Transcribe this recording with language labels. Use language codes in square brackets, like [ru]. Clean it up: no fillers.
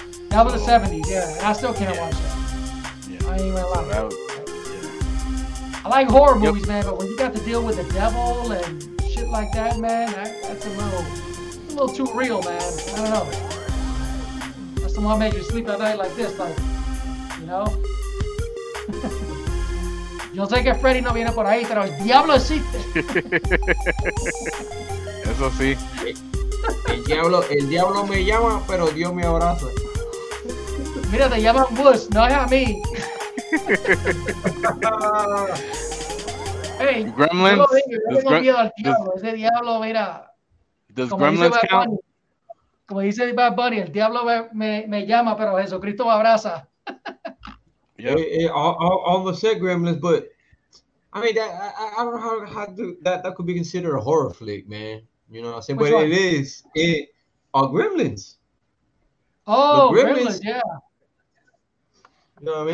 [en] That was the 70s, yeah. And I still can't watch that. Yeah. I ain't even allowed that. I like horror movies, man, but when you got to deal with the devil and shit like that, man, that's a little too real, man. I don't know. That's the one that made you sleep at night like this, like, you know? [es] Yo sé que Freddy no viene por ahí, pero el diablo existe. Eso sí. El diablo me llama, pero Dios me abraza. Mira, [en] they [es] llaman [en] Bush, not me. Hey, Gremlins. Does Gremlins count? [es] Como dice Bad Bunny, el diablo me llama, pero Jesucristo me abraza. [en] Almost said Gremlins, but I mean, I don't know how that could be considered a horror flick, man. You know what I'm saying? Which but one? It is Gremlins. Oh, Gremlins, yeah. You know what I mean?